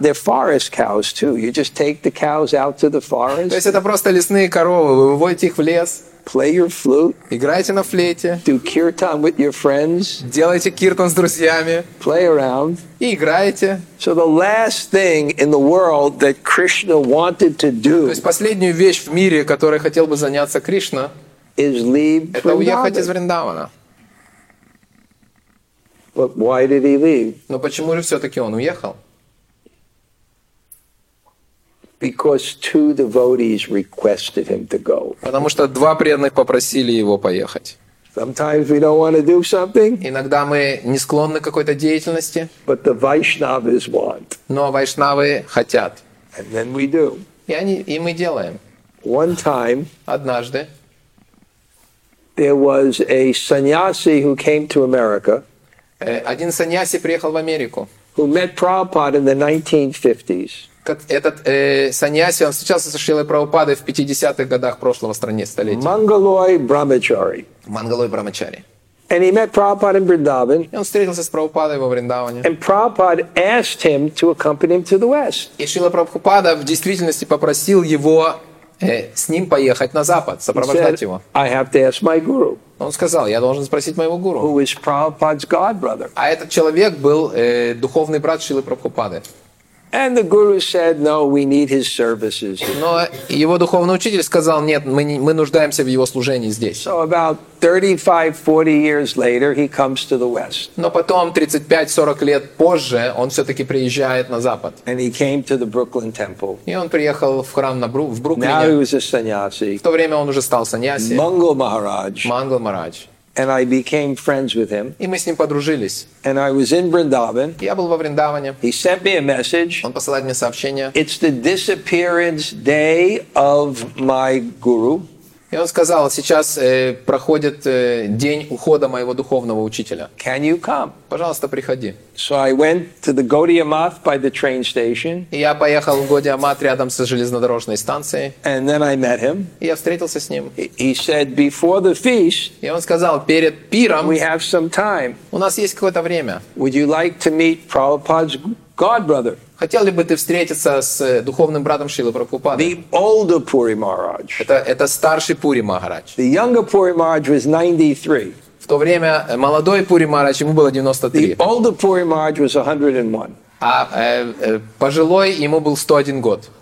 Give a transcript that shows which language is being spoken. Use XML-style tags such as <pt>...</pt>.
<en>They're forest cows too. You just take the cows out to the forest.</en> <ru>То есть это просто лесные коровы. Вы выводите их в лес.</ru> <en>Play your flute.</en> <ru>Играйте на флейте.</ru> <en>Do kirtan with your friends.</en> <ru>Делайте киртан с друзьями.</ru> <en>Play around.</en> <ru>И играйте.</ru> <en>So the last thing in the world that Krishna wanted to do.</en> <ru>То есть последнюю вещь в мире, которой хотел бы заняться Кришна,</ru> <en>is leave</en> <ru>это уехать из Вриндавана.</ru> <en>But why did he leave?</en> <ru>Но почему же все-таки он уехал?</ru> <en>Because two devotees requested him to go.</en> <ru>Потому что два преданных попросили его поехать.</ru> <en>Sometimes we don't want to do something.</en> <ru>Иногда мы не склонны к какой-то деятельности.</ru> <en>But the Vaishnavas want.</en> <ru>Но вайшнавы хотят.</ru> <en>And then we do.</en> <ru>И мы делаем.</ru> <en>One time.</en> <ru>Однажды.</ru> <en>There was a sannyasi who came to America.</en> <ru>Один сannyasi приехал в Америку.</ru> <en>Who met Prabhupada in the 1950s.</en> <ru>Этот саньяси, он встречался со Шрилой Прабхупадой в 50-х годах прошлого столетия. Мангалой Брамачари. Мангалой Брамачари.</ru> <en>And he met Prabhupada in Vrindavan.</en> <ru>И он встретился с Прабхупадой во Вриндаване.</ru> <en>And Prabhupada asked him to accompany him to the West.</en> <ru>И Шрила Прабхупада в действительности попросил его с ним поехать на Запад, сопровождать</ru> <en>he said,</en> <ru>его.</ru> <en>I have to ask my guru.</en> <ru>Он сказал, я должен спросить моего гуру.</ru> <en>Who is Prabhupada's god brother?</en> <ru>А этот человек был духовный брат Шрилы Прабхупады.</ru> <en>And the guru said, "No, we need his services."</en> <ru>Но его духовный учитель сказал, нет, мы нуждаемся в его служении здесь.</ru> <en>So about 35-40 years later, he comes to the West.</en> <ru>Но потом 35-40 лет позже он все-таки приезжает на Запад.</ru> <en>And he came to the Brooklyn Temple.</en> <ru>И он приехал в храм в Бруклине.</ru> <en>Now he was a sannyasi.</en> <ru>В то время он уже стал саньяси. Мангал Махарадж. Мангал Махарадж.</ru> <en>And I became friends with him.</en> <ru>И мы с ним подружились.</ru> <en>And I was in Vrindavan.</en> <ru>Я был во Вриндаване.</ru> <en>He sent me a message.</en> <ru>Он посылает мне сообщение.</ru> <en>It's the disappearance day of my guru.</en> <ru>И он сказал, сейчас проходит день ухода моего духовного учителя.</ru> <en>Can you come?</en> <ru>Пожалуйста, приходи.</ru> <en>So I went to the Gaudiya Math by the train station.</en> <ru>И я поехал в Gaudiya Math рядом с железнодорожной станцией.</ru> <en>And then I met him.</en> <ru>И я встретился с ним.</ru> <en>He said, before the feast.</en> <ru>И он сказал, перед пиром.</ru> <en>We have some time.</en> <ru>У нас есть какое-то время.</ru> <en>Would you like to meet Prabhupada's god brother?</en> <ru>Хотел ли бы ты встретиться с духовным братом Шрилы Прабхупады?</ru> <en>The older Puri Maharaj.</en> <ru>Это старший Пури Махарадж.</ru> <en>The younger Puri Maharaj was 93.</en> <ru>В то время молодой Пури Махарадж, ему было 93.</ru> <en>The older Puri Maharaj was 101.</en> <ru>А пожилой ему был 101 год.</ru>